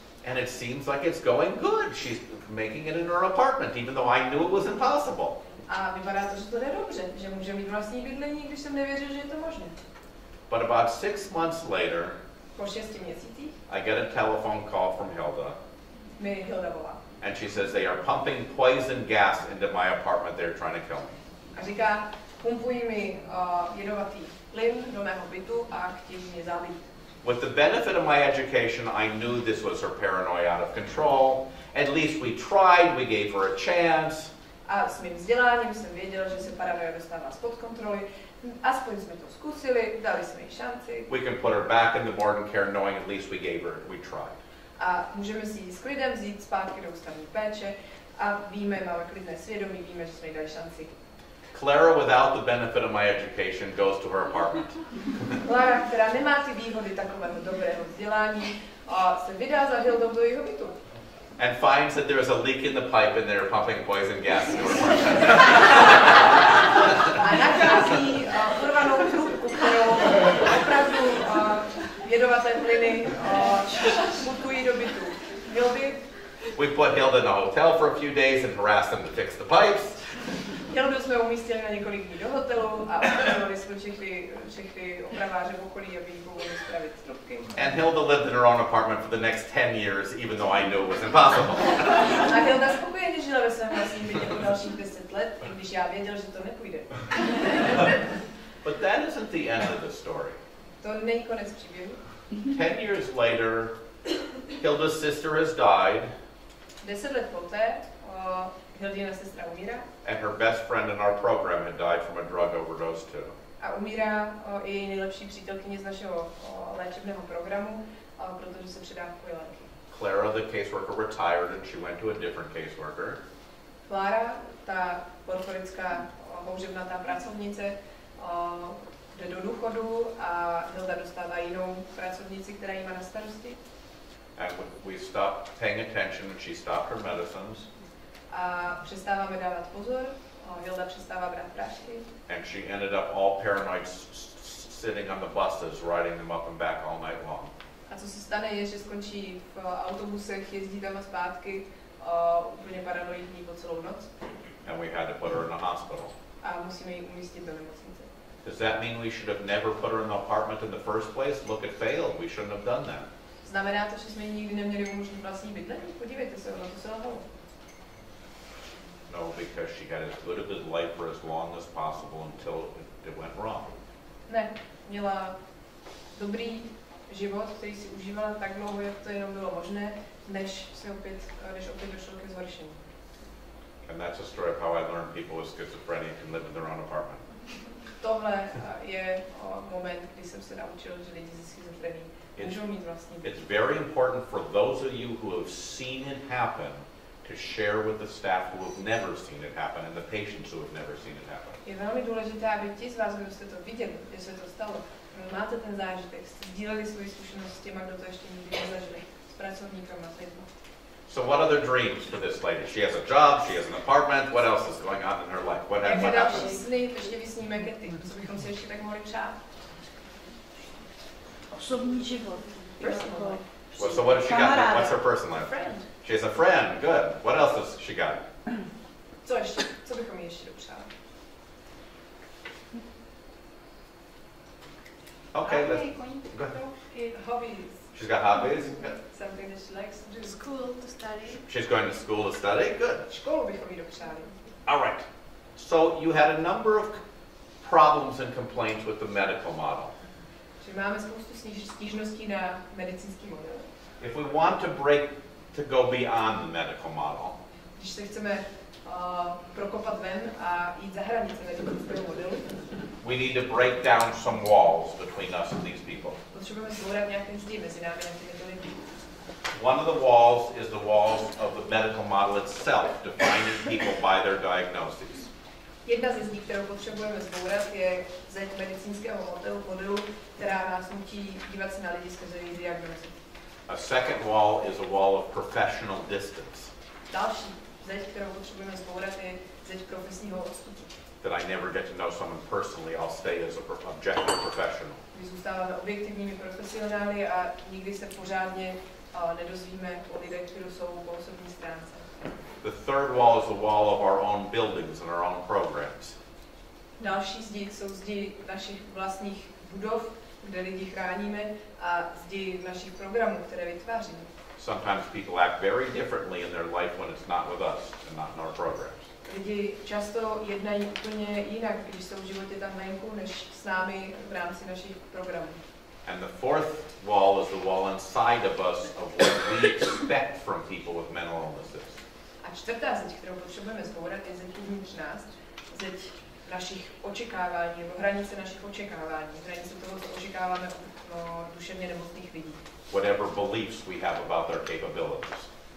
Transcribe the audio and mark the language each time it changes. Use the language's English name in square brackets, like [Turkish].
[English] And it seems like it's going good. She's making it in her apartment, even though I knew it was impossible. [Czech] A vypadá to, že to jde dobře, že může mít vlastní bydlení, když jsem nevěřil, že je to možné. [English] But about 6 months later, [Czech] po 6 měsících, [English] I get a telephone call from Hilda. [Czech] Mi Hilda volá. [English] And she says they are pumping poison gas into my apartment, they're trying to kill me. [Czech] A říká, pumpují mi jedovatý plyn do mého bytu a chtějí mě zabít. [English] With the benefit of my education, I knew this was her paranoia out of control. At least we tried, we gave her a chance. [Czech] A s mým vzděláním jsem věděl, že se paranoia dostává spod kontroly. Aspoň jsme to zkusili, dali jsme jí šanci. [English] We can put her back in the morgue care knowing at least we gave her, we tried. [Czech] A můžeme si ji s klidem vzít zpátky do ústavní péče a víme, máme klidné svědomí, víme, že jsme jí dali šanci. [English] Clara, without the benefit of my education, goes to her apartment. [Czech] Clara, která nemá ty výhody takového dobrého vzdělání, se vydá za Hildou do jeho bytu. [English] And finds that there is a leak in the pipe and they're pumping poison gas into her [Czech] apartment. A nachází urvanou trubku, kterou opravdu jedovaté plyny mutují do bytu Hildy. [English] We put Hilda in a hotel for a few days and harass them to fix the pipes. [Czech] Hildu jsme umístili na několik dní do hotelu a opravili jsme všechny opraváře v okolí, aby jí pomohli spravit trubky. [English] And Hilda lived in her own apartment for the next 10 years, even though I knew it was impossible. [Czech] A Hilda spokojeně žila ve svém vlastním bytě po dalších 10 let, i když já věděl, že to nepůjde. [English] But that isn't the end of the story. [Czech] To není konec příběhu. [English] 10 years later, Hilda's sister has died. [Czech] 10 let poté, Hildina sestra umírá. [English] And her best friend in our program had died from a drug overdose too. [Czech] A umírá i nejlepší přítelkyně z našeho léčebného programu, protože se předávkovala. [English] Clara, the caseworker, retired and she went to a different caseworker. [Czech] Clara, ta portorická houževnatá pracovnice, jde do důchodu a Hilda dostává jinou pracovnici, která jí má na starosti. [English] And we stopped paying attention and she stopped her medicines. [Czech] A přestáváme dávat pozor, Hilda přestává brát prášky. [English] And she ended up all paranoid sitting on the buses, riding them up and back all night long. [Czech] A co se stane je, že skončí v autobusech, jezdí tam a zpátky, úplně paranoidní po celou noc. [English] And we had to put her in the hospital. [Czech] A musíme ji umístit do nemocnice. [English] Does that mean we should have never put her in the apartment in the first place? Look, it failed, we shouldn't have done that. [Czech] Znamená to, že jsme nikdy neměli umožnit vlastní bydlení? Podívejte se, ono to se lahalo. [English] No, because she had as good a good life for as long as possible until it went wrong. [Czech] Ne, měla dobrý život, který si užívala tak dlouho, jak to jenom bylo možné, než opět došlo ke zhoršení. [English] And that's a story of how I learned people with schizophrenia can live in their own apartment. [Czech] Tohle je moment, kdy jsem se naučil, že lidi se schizofrenií můžou mít vlastní bydlení. [English] It's very important for those of you who have seen it happen to share with the staff who have never seen it happen and the patients who have never seen it happen. [Czech] Je velmi důležité, aby ti z vás, kdo jste to viděli, kde se to stalo, máte ten zážitek, jste sdíleli svoji zkušenost s těma, kdo to ještě nikdy nezažili, s pracovníkama s lidmi. [English] So what are the dreams for this lady? She has a job, she has an apartment, what else is going on in her life? What happens? [Czech] Jaké další sny, ještě vysníme ke ty, co bychom si ještě tak mohli přát? Osobní život. [English] Well, so what has she got there? What's her personal life? She has a friend. Good. What else has she got? [Czech] Co ještě? Co bychom jí ještě dopřáli? [English] Okay, let's go ahead. Hobbies. She's got hobbies? Good. Something that she likes to do. School to study. She's going to school to study? Good. [Czech] Školu bychom jí dopřáli. [English] All right. So you had a number of problems and complaints with the medical model. [Czech] že máme spoustu stížností na medicínský model. [English] If we want to break to go beyond the medical model. [Czech] Když se chceme prokopat ven a jít za hranice medicínského modelu. [English] We need to break down some walls between us and these people. [Czech] Potřebujeme zbourat nějaké zdi mezi námi a těmito lidmi. [English] One of the walls is the walls of the medical model itself, defining people by their diagnoses. [Czech] Jedna ze zdí, kterou potřebujeme zbourat, je zeď medicínského modelu, která nás nutí dívat se na lidi skrze jejich diagnozy. [English] A second wall is a wall of professional distance. [Czech] Další zeď, kterou potřebujeme zbourat, je zeď profesního odstupu. [English] That I never get to know someone personally, I'll stay as an objective professional. [Czech] My zůstáváme objektivními profesionály a nikdy se pořádně nedozvíme o lidech, kteří jsou po osobní stránce. [English] The third wall is the wall of our own buildings and our own programs. [Czech] Další zdi jsou zdi našich vlastních budov, kde lidi chráníme, a zdi našich programů, které vytváříme. [English] Sometimes people act very differently in their life when it's not with us and not in our programs. [Czech] Lidi často jednají úplně jinak, když jsou v životě tam venku, než s námi v rámci našich programů. [English] And the fourth wall is the wall inside of us of what we expect from people with mental illnesses. [Czech] A čtvrtá zeď, kterou potřebujeme zbourat, je zeď uvnitř nás, zeď našich očekávání, nebo hranice našich očekávání, hranice toho, co očekáváme duševně nemocných lidí. [English] Whatever beliefs we have about their capabilities.